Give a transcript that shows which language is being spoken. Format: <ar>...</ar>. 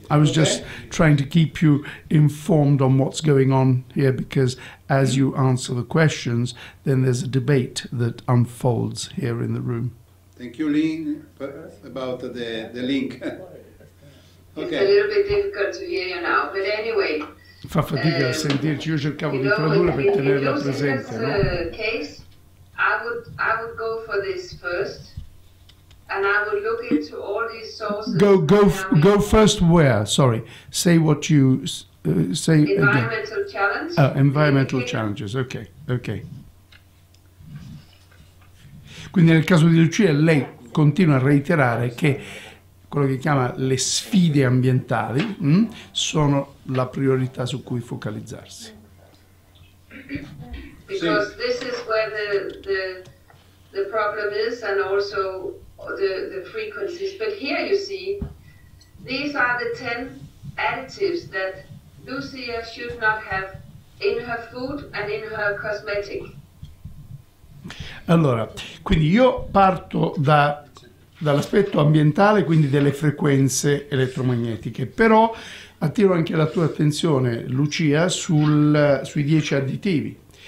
<en>I was just trying to keep you informed on what's going on here, because as you answer the questions, then there's a debate that unfolds here in the room. Thank you, Lynn, about the link. Okay. It's a little bit difficult to hear you now, but anyway.</en> <it>Fa fatica a sentirci, io cercavo di tradurre per tenerla presente.</it> <en>In this case, I would go for this first, and I would look into all these sources. Go first where? Sorry, say what you say environmental again. Environmental challenge. Oh, environmental challenges, okay.</en> <it>Quindi nel caso di Lucia, lei continua a reiterare che quello che chiama le sfide ambientali sono la priorità su cui focalizzarsi.</it> <en>Because this is where the problem is, and also the frequencies. But here you see, these are the 10 additives that Lucia should not have in her food and in her cosmetic.</en> <it>Allora, quindi io parto dall'aspetto ambientale, quindi delle frequenze elettromagnetiche, però attiro anche la tua attenzione, Lucia, sui 10 additivi.</it>